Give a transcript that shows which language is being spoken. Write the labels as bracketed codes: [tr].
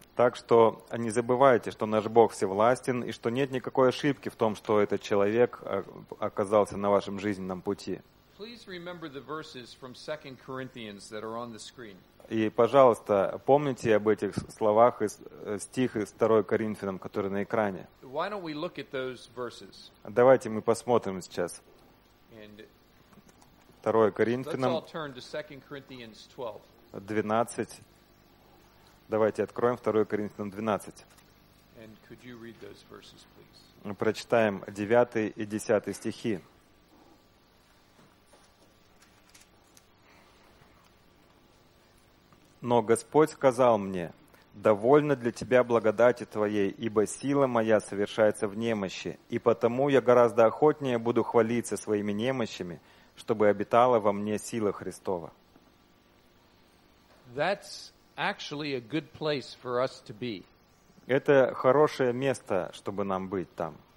[ru] Так что не забывайте, что наш Бог всевластен и что нет никакой ошибки в том, что этот человек оказался на вашем жизненном пути. [en] Please remember the verses from 2 Corinthians that are on the screen. [ru] И, пожалуйста, помните об этих словах из стиха 2 Коринфянам, который на экране. [en] Why don't we look at those verses? [ru] Давайте мы посмотрим сейчас. 2 Коринфянам. [en] Let's all turn to 2 Corinthians 12. 12. [ru] Давайте откроем 2 Коринфянам 12. [en] And could you read those verses, please? [ru] Прочитаем 9 и 10 стихи. Но Господь сказал мне, «Довольно для тебя благодати твоей, ибо сила моя совершается в немощи, и потому я гораздо охотнее буду хвалиться своими немощами, чтобы обитала во мне сила Христова». [en] That's actually a good place for us to be. [ru] Это хорошее место, чтобы нам быть там.